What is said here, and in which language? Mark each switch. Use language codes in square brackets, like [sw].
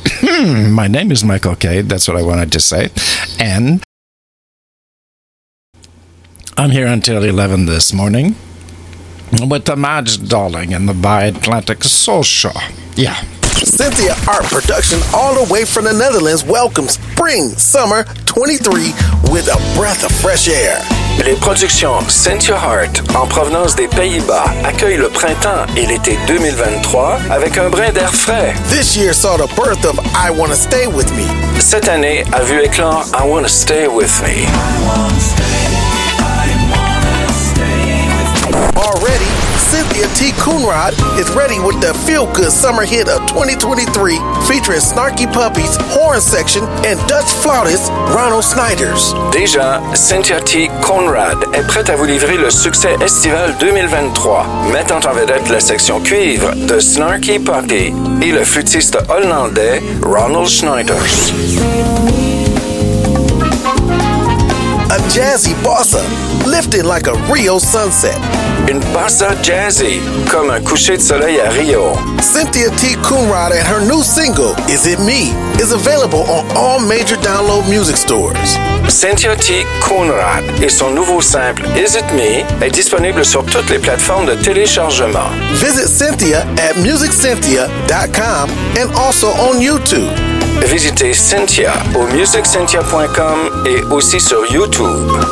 [en] My name is Michael K. That's what I wanted to say. And I'm here until 11 this morning. With the Madge Darling and the Bi-Atlantic Soul Show. Yeah. Cynthia Art Production, all the way from the Netherlands, welcomes Spring Summer 23 with a breath of fresh air. [fr] Les productions Cynthia Art, en provenance des Pays-Bas, accueillent le printemps et l'été 2023 avec un brin d'air frais. [en] This year saw the birth of I Wanna Stay With Me. [fr] Cette année a vu éclore I Wanna Stay With Me. [en] Already, Cynthia T. Coonrod is ready with the feel-good summer hit of 2023 featuring Snarky Puppies, Horn Section, and Dutch flautist Ronald Snyders. [fr] Déjà, Cynthia T. Coonrod est prête à vous livrer le succès estival 2023, mettant en vedette la section cuivre de Snarky Puppy et le flûtiste hollandais Ronald Snyders. [en] A jazzy bossa, lifting like a Rio sunset. [fr] Une bossa jazzy, comme un coucher de soleil à Rio. [en] Cynthia T. Coonrod and her new single, Is It Me?, is available on all major download music stores. [fr] Cynthia T. Coonrod et son nouveau simple, Is It Me?, est disponible sur toutes les plateformes de téléchargement. [en] Visit Cynthia at musiccynthia.com and also on YouTube. [fr] Visitez Cynthia au musiccynthia.com et aussi sur YouTube.